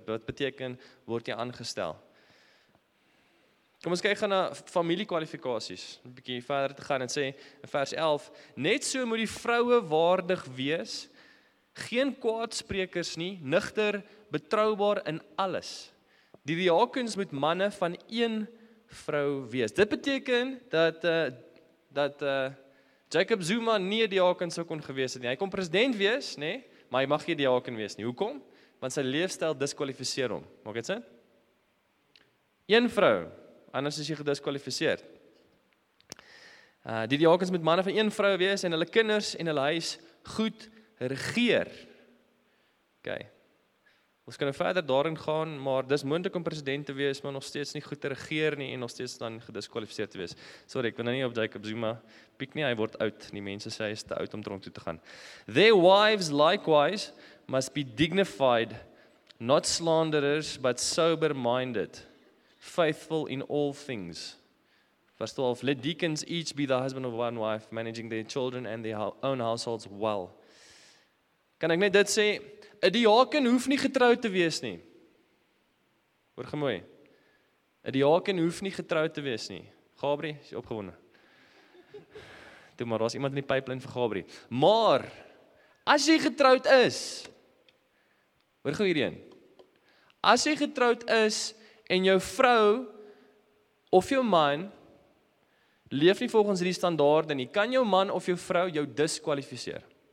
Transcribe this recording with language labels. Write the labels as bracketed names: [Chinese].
[Afrikaans] Wat beteken word jy aangestel? Kom ons kyk gaan na familiekwalifikasies, 'n bietjie verder te gaan en sê in vers 11, net so moet die vroue waardig wees, geen kwaadsprekers nie, nigter, betroubaar in alles. Die diakens moet manne van een vrou wees. Dit beteken dat Jacob Zuma nie 'n diaken sou kon gewees het nie. Hy kon president wees, nê, maar hy mag nie 'n diaken wees nie. Hoekom? Want sy leefstyl diskwalifiseer hom. Maak dit sin? Een vrou. Anders is jy gediskwalifiseer. Die diakens moet manne van een vrou wees en hulle kinders en hulle huis goed regeer. OK. Ons kan verder daarin gaan, maar dis moontlik om president te wees, maar nog steeds nie goed te regeer nie en nog steeds dan gediskwalifiseer te wees. Sorry, ek wil nou nie op Jacob Zuma piek nie, hy word oud. Die mense sê hy is te oud om tronk toe te gaan. [English] Their wives likewise must be dignified, not slanderers, but sober-minded. Faithful in all things. Vers 12, let deacons each be the husband of one wife, managing their children and their own households well. [Afrikaans] Kan ek net dit sê, 'n diaken hoef nie getroud te wees nie. Hoor gou mooi. 'N diaken hoef nie getroud te wees nie. Gabri, is jy opgewonde? Toe maar, daar is iemand in die pipeline vir Gabri. Maar, as jy getroud is, hoor gou hierheen, as jy getroud is, en jou vrou of jou man leef nie volgens die standaarde nie, kan jou man of jou vrou jou diskwalifiseer.